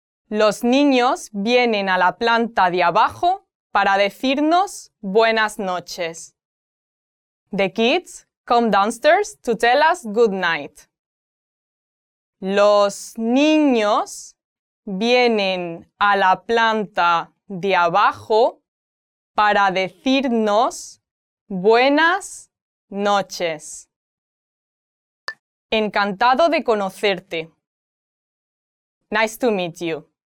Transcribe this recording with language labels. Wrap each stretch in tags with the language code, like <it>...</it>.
<es>Los niños vienen a la planta de abajo para decirnos buenas noches.</es> <en>The kids come downstairs to tell us good night.</en> <es>Los niños vienen a la planta de abajo para decirnos buenas noches. Encantado de conocerte.</es> <en>Nice to meet you.</en>